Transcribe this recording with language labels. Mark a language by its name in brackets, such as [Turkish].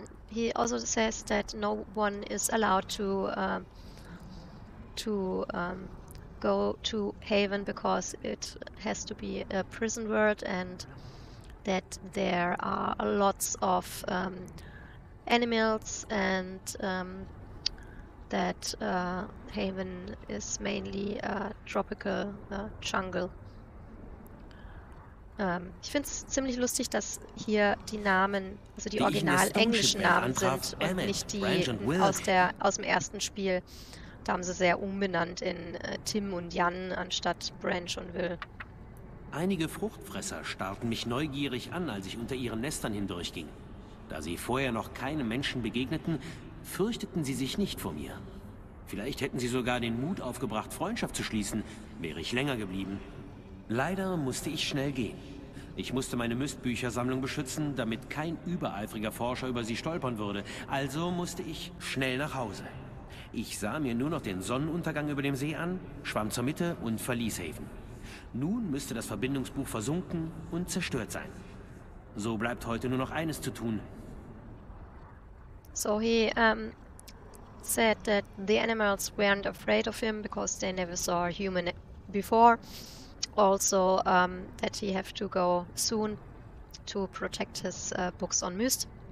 [English] He also says that no one is allowed to go to Haven because it has to be a prison world and that there are lots of animals and that Haven is mainly a tropical jungle. [German] Ich finde es ziemlich lustig, dass hier die Namen, also die original englischen Namen sind und nicht die aus dem ersten Spiel. Da haben sie sehr umbenannt in Tim und Jan anstatt Branch und Will. Einige Fruchtfresser starrten mich neugierig an, als ich unter ihren Nestern hindurchging. Da sie vorher noch keinem Menschen begegneten, fürchteten sie sich nicht vor mir. Vielleicht hätten sie sogar den Mut aufgebracht, Freundschaft zu schließen, wäre ich länger geblieben. Leider musste ich schnell gehen. Ich musste meine Myst-Büchersammlung beschützen, damit kein übereifriger Forscher über sie stolpern würde. Also musste ich schnell nach Hause. Ich sah mir nur noch den Sonnenuntergang über dem See an, schwamm zur Mitte und verließ Haven. Nun müsste das Verbindungsbuch versunken und zerstört sein. So bleibt heute nur noch eines zu tun. [English] So he said that the animals weren't afraid of him because they never saw a human before. Also that he have to go soon to protect his books on Myst.